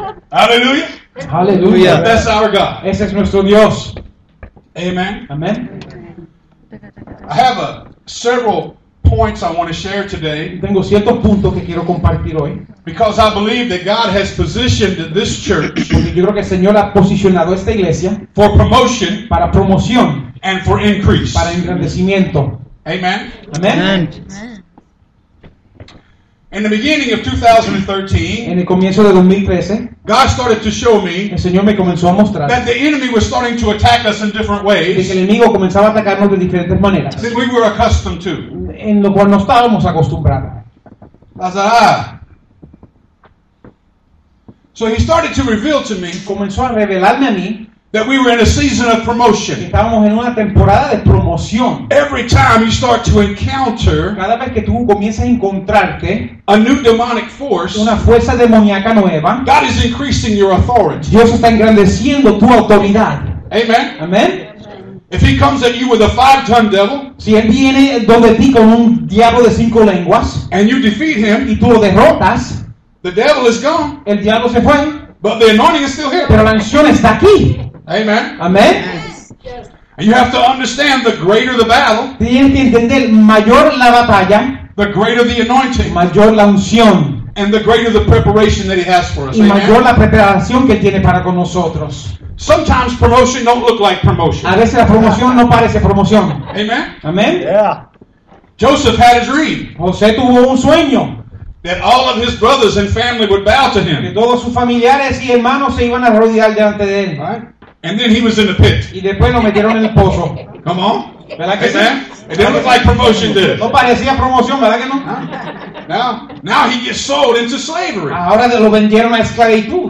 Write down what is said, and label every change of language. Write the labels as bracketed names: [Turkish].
[English] Hallelujah. Hallelujah. That's our God. [Spanish] Ese es nuestro Dios. Amen. Amen. [English] I have several points I want to share today. [Spanish] Tengo ciertos puntos que quiero compartir hoy. [English] Because I believe that God has positioned this church. [Spanish] Porque yo creo que el Señor ha posicionado esta iglesia. [English] For promotion. [Spanish] Para promoción. [English] And for increase. [Spanish] Para engrandecimiento. Amen. Amen. Amen. [English] In the beginning of 2013, [Spanish] en el comienzo de 2013, [English] God started to show me, [Spanish] el Señor me comenzó a mostrar, [English] that the enemy was starting to attack us in different ways, [Spanish] que el enemigo comenzaba a atacarnos de diferentes maneras, [English] than we were accustomed to, [Spanish] en lo cual no estábamos acostumbrados. [English] I said, So he started to reveal to me, [Spanish] comenzó a revelarme a mí, [English] that we were in a season of promotion. [Spanish] Estábamos en una temporada de promoción. [English] Every time you start to encounter, [Spanish] cada vez que tú comienzas a encontrarte, [English] a new demonic force, [Spanish] una fuerza demoníaca nueva, [English] God is increasing your authority. [Spanish] Dios está engrandeciendo tu autoridad. Amen. Amen. [English] If he comes at you with a 5-ton devil, [Spanish] si él viene donde ti con un diablo de 5 lenguas, [English] and you defeat him, [Spanish] y tú lo derrotas, [English] the devil is gone. [Spanish] El diablo se fue. [English] But the anointing is still here. [Spanish] Pero la unción está aquí. Amen. Amen. [English] Yes. And you have to understand the greater the battle. [Spanish] Tienes que entender mayor la batalla. [English] The greater the anointing. [Spanish] Mayor la unción. [English] and the greater the preparation that he has for us. [Spanish] Y mayor la preparación que tiene para con nosotros. [English] Sometimes promotion don't look like promotion. [Spanish] A veces la promoción no parece promoción. Amen. Amen. Yeah. [English] Joseph had a dream. [Spanish] José tuvo un sueño. [English] That all of his brothers and family would bow to him. [Spanish] Que todos sus familiares y hermanos se iban a arrodillar delante de él. [English] Right? And then he was in the pit. [Spanish] Y después lo metieron en el pozo. [English] Come on. [Spanish] ¿Verdad que amen? Sí? [English] It didn't look like promotion did. [Spanish] No parecía promoción, ¿verdad que no? [English] Now he gets sold into slavery. [Spanish] Ahora lo vendieron a esclavitud.